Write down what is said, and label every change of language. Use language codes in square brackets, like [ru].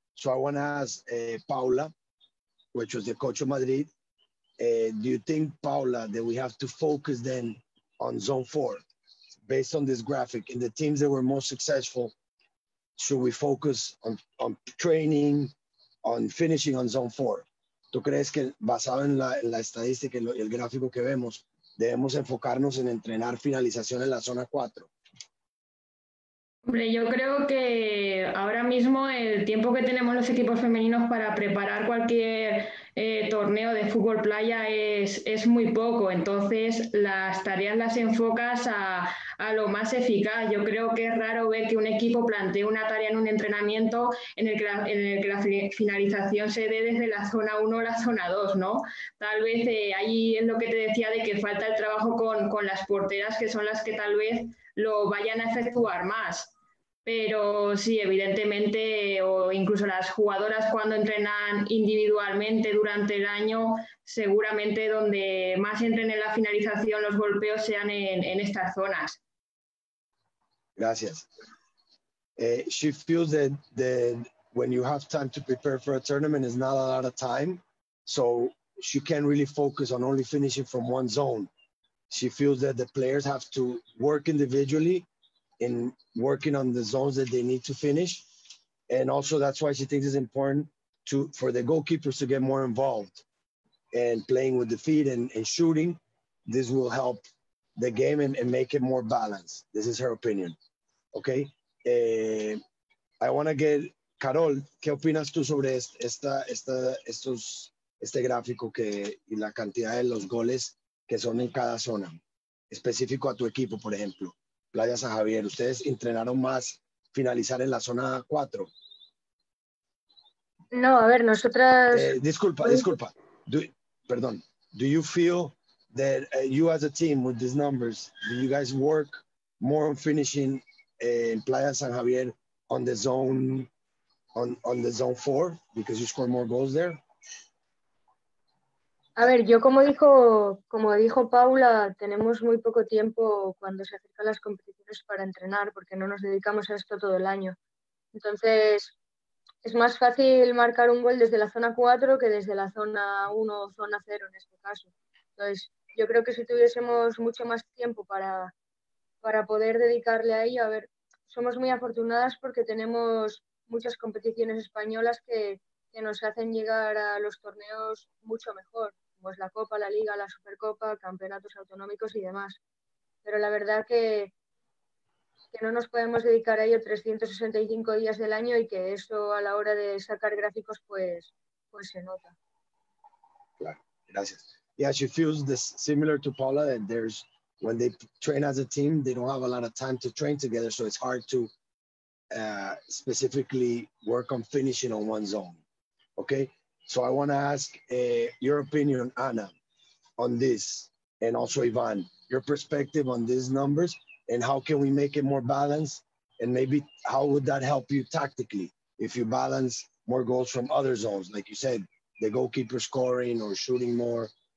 [en] So I want to ask Paula, which was the coach of Madrid, do you think, Paula, that we have to focus then on zone 4 based on this graphic? In the teams that were most successful, should we focus on training, on finishing on zone 4? [es] ¿Tú crees que basado en la estadística y el gráfico que vemos, debemos enfocarnos en entrenar finalización en la zona 4? Hombre, yo creo que ahora mismo el tiempo que tenemos los equipos femeninos para preparar cualquier torneo de fútbol playa es muy poco. Entonces, las tareas las enfocas a lo más eficaz. Yo creo que es raro ver que un equipo plantee una tarea en un entrenamiento en el que la finalización se dé desde la zona 1 o la zona 2, ¿no? Tal vez ahí es lo que te decía de que falta el trabajo con las porteras, que son las que tal vez lo vayan a efectuar más. Pero sí, evidentemente, o incluso las jugadoras cuando entrenan individualmente durante el año, seguramente donde más entren en la finalización los golpeos sean en estas zonas. Gracias. [en] She feels that when you have time to prepare for a tournament, it's not a lot of time, so she can't really focus on only finishing from one zone. She feels that the players have to work individually in working on the zones that they need to finish. And also that's why she thinks it's important for the goalkeepers to get more involved and playing with the feet and shooting. This will help the game and make it more balanced. This is her opinion. Okay. I want to get [es] Carol, ¿qué opinas tú sobre este gráfico que y la cantidad de los goles que son en cada zona, específico a tu equipo, por ejemplo, Playa San Javier? ¿Ustedes entrenaron más finalizar en la zona 4? No, a ver, nosotras... Disculpa. [en] Do you feel that you as a team with these numbers, do you guys work more on finishing in Playa San Javier on the zone, on the zone 4, because you score more goals there? [es] A ver, yo como dijo Paula, tenemos muy poco tiempo cuando se acercan las competiciones para entrenar, porque no nos dedicamos a esto todo el año. Entonces, es más fácil marcar un gol desde la zona 4 que desde la zona 1 o zona 0 en este caso. Entonces, yo creo que si tuviésemos mucho más tiempo para poder dedicarle a ello, a ver, somos muy afortunadas porque tenemos muchas competiciones españolas que nos hacen llegar a los torneos mucho mejor, pues la Copa, la Liga, la Supercopa, campeonatos autonómicos y demás. Pero la verdad que no nos podemos dedicar a ello 365 días del año y que eso a la hora de sacar gráficos pues se nota. Claro, gracias. [en] Yeah, she feels this similar to Paula that there's when they train as a team, they don't have a lot of time to train together, so it's hard to specifically work on finishing on one zone. Okay, so I want to ask your opinion, Anna, on this, and also Ivan, your perspective on these numbers, and how can we make it more balanced, and maybe how would that help you tactically if you balance more goals from other zones, like you said, the goalkeeper scoring or shooting more?